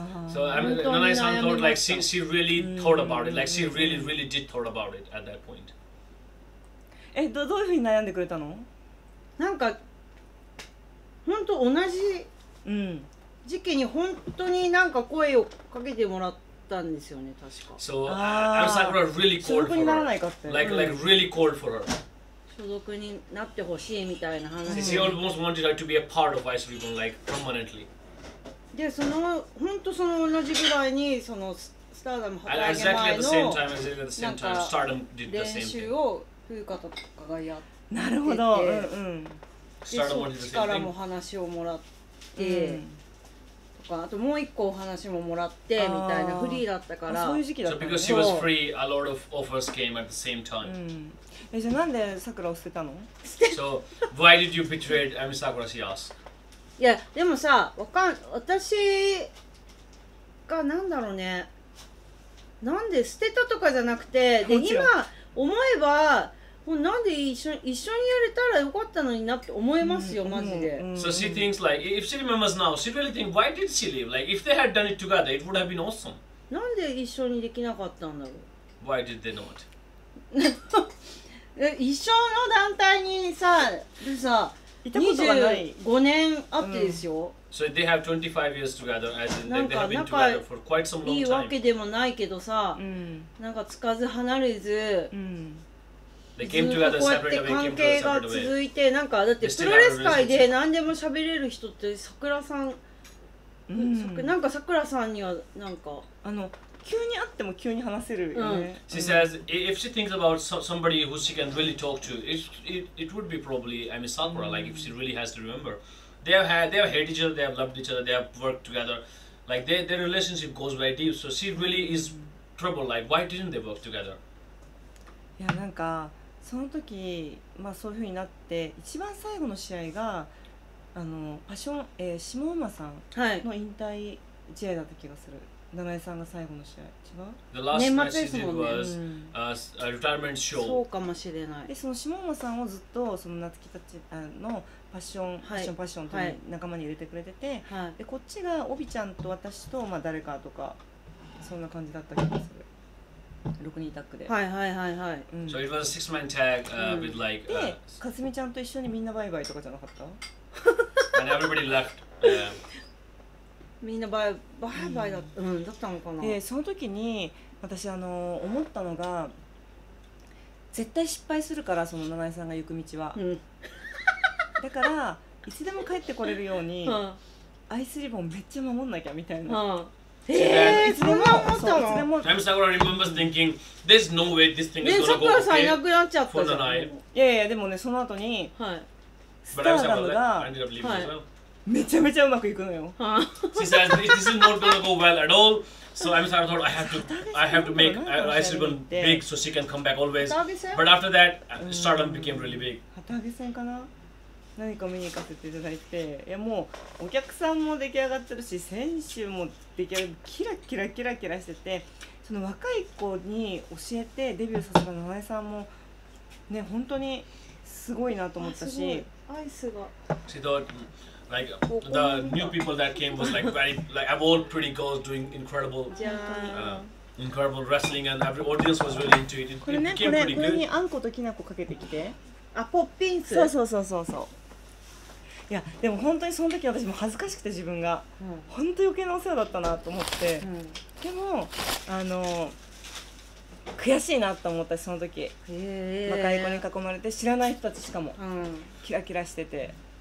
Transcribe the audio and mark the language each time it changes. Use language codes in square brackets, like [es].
[en] so Nanae-san thought like she really thought about it. Like she really really did thought about it at that point. [ja] どういうふうに悩んでくれたの？なんか本当同じ時期に本当になんか声をかけてもらったんですよね、確か。 [en] So, Asakura really called for her. [ja] 所属にならないかって。 [en] Like really called for her. [ja] 所属になってほしいみたいな話。 [en] She almost wanted her to be a part of Ice Ribbon, like permanently. [ja] で、その本当その同じぐらいにそのスターダム働き前の [en] Exactly at the same time, exactly at the same time, Stardom did the same thing. [ja] 風花とかがやってて、なるほど、で、そっちからも話をもらって、とか、あともう一個お話ももらってみたいな、フリーだったから、そういう時期だったね。 [en] So because she was free, a lot of offers came at the same time. [ja] じゃあなんで桜を捨てたの？捨てた。 [en] So why did you betrayed Ami Sakura? She asked. [ja] いや、でもさ、わかん、私がなんだろうね、なんで捨てたとかじゃなくて、で今。思えば、なんで一緒にやれたらよかったのになって思いますよ、マジで。 [en] So she thinks like, if she remembers now, she really thinks, why did she leave? Like, if they had done it together, it would have been awesome. [ja] なんで一緒にできなかったんだろう。 [en] Why did they not? [ja] 一緒の団体にさ、でさ、25年あってですよ。 [en] So they have 25 years together, as in they have been together for quite some long time. [ja] いいわけでもないけどさ、なんかつかず離れず、 [en] They came together separate away. [ja] 関係が続いて、なんかだってプロレス界で何でも喋れる人って桜さん、なんか桜さんにはなんか、あの、急に会っても急に話せるよね。 [en] She says, if she thinks about somebody who she can really talk to, it would be probably, I mean, Sakura, like if she really has to remember. They have hated each other, they have loved each other, they have worked together. Like their relationship goes very deep. So she really is troubled. Like why didn't they work together? [ja] いやなんかその時まあそういう風になって一番最後の試合があのパッション、下馬さんの引退試合だった気がする。七重さんが最後の試合違う？ [en] The last match she did was a retirement show. [ja] そうかもしれない。でその下馬さんをずっとその夏希たちのパッション、パッション、パッションと仲間に入れてくれてて、はい、でこっちがオビちゃんと私とまあ誰かとかそんな感じだった気がする。 6人タッグで。はいはいはいはい。 [en] So it was a six-man tag with like [ja] で、かすみちゃんと一緒にみんなバイバイとかじゃなかった [en] ？And everybody left. [ja] みんなバイバイだった、だったのかな。でその時に私思ったのが絶対失敗するからその七重さんが行く道は。だからいつでも帰ってこれるようにアイスリボンめっちゃ守んなきゃみたいな。そんな思ったの？そう、いつでも。 [en] I'm Sakura remembers thinking there's no way this thing is gonna go okay. [ja] で、桜さんいなくなっちゃったじゃん。いやいやでもねその後に、はい、スターダムが、はい、めちゃめちゃうまくいくのよ。 [en] She says this is not gonna go well at all. So I'm Sakura thought I have to make Ice Ribbon big so she can come back always. But after that, Stardom became really big. [ja] 畑戦かな？何か見に行かせていただいて、いやもうお客さんも出来上がってるし、選手も出来上がってキラキラキラキラしてて、その若い子に教えてデビューさせた七重さんもね本当にすごいなと思ったし、アイスが。 [en] She thought like the new people that came was like very like of all pretty girls doing incredible wrestling and every audience was really into it. [ja] これねこれ上にあんこときな粉かけてきて。あポッピンス。そうそうそうそうそう。いやでも本当にその時私も恥ずかしくて自分が、本当余計なお世話だったなと思って、でも悔しいなと思ったその時、若い子に囲まれて知らない人たちしかも、キラキラしてて、